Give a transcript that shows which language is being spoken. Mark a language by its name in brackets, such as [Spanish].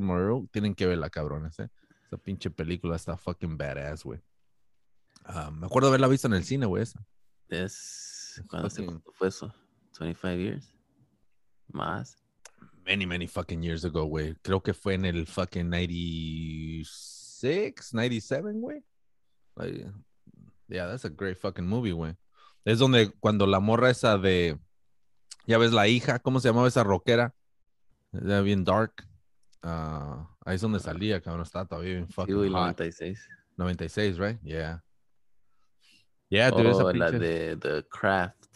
[Spanish] Moreau, tienen que verla, cabrones, ¿eh? Esa pinche película está [English] fucking badass, [Spanish] güey. Me acuerdo haberla visto en el cine, güey, esa. ¿Cuánto fue eso? ¿25 years? ¿Más? [English] Many, many fucking years ago, güey. [Spanish] Creo que fue en el fucking 96, 97, güey. [English] Like, yeah, that's a great fucking movie, güey. [Spanish] Es donde cuando la morra esa de... Ya ves, la hija, ¿cómo se llamaba esa rockera? Era bien dark. Ahí es donde salía, cabrón. Está todavía bien [English] fucking hot. [Spanish] 96, [English] right? Yeah. Yeah, [Spanish] tú ves esa pinche. La de The Craft.